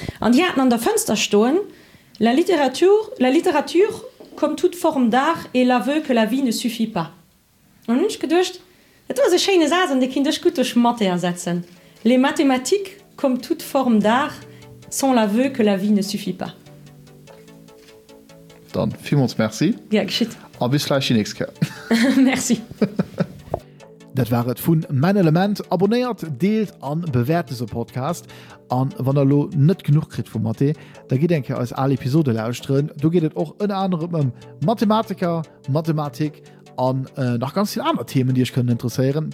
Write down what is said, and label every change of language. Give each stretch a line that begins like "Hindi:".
German: Und die hatten an der Fenster stehen:
French: La littérature comme toute forme d'art et l'aveu que la vie ne suffit pas.
German: Und dann habe ich gedacht, das war ein schöner Satz und ich kann das gut durch Mathe ersetzen.
French: Les mathématiques, comme toute forme d'art, sont l'aveu que la vie ne suffit pas.
German: Dann vielmals merci. Ja, geschieht. Und bis gleich die nächste Kerl.
French: Merci.
German: Das war es von Mein Element. Abonniert, teilt und bewertet diesen Podcast. Und wenn ihr nicht genug kriegt von Mathe, dann geht ihr aus alle Episoden lauschen. Da geht es auch unter anderem um Mathematiker, Mathematik und noch ganz viele andere Themen, die euch können interessieren.